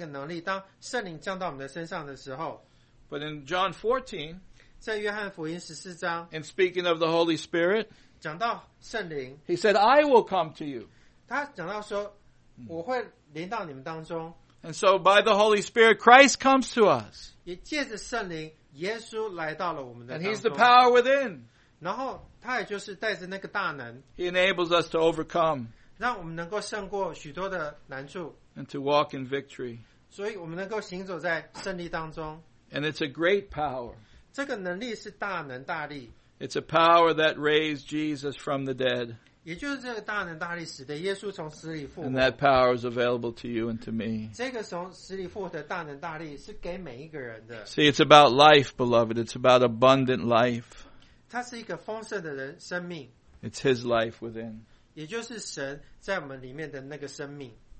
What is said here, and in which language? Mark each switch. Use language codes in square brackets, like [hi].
[zh] 神他应许我们就是我们会收到那个能力当圣灵降到我们的身上的时候。 [en] But in John 14, [zh] 在约翰福音14章, [en] and speaking of the Holy Spirit, [zh] 讲到圣灵, [en] he said, I will come to you. [zh] 他讲到说, 我会临到你们当中, [en] and so by the Holy Spirit, Christ comes to us. [zh] 也借着圣灵, 耶稣来到了我们的当中, [en] and he's the power within. [zh] 然后他也就是带着那个大能, [en] he enables us to overcome. [zh] 让我们能够胜过许多的难处, [en] and to walk in victory. [zh] 所以我们能够行走在胜利当中, [en] and it's a great power. [zh] 这个能力是大能大力, [en] it's a power that raised Jesus from the dead. [zh] 也就是这个大能大力使得耶稣从死里复活, [en] and that power is available to you and to me. [zh] 这个从死里复活的大能大力是给每一个人的。 [en] See, it's about life, beloved. It's about abundant life. [zh] 它是一个丰盛的人, 生命, [en] it's His life within. [zh] 也就是神在我们里面的那个生命。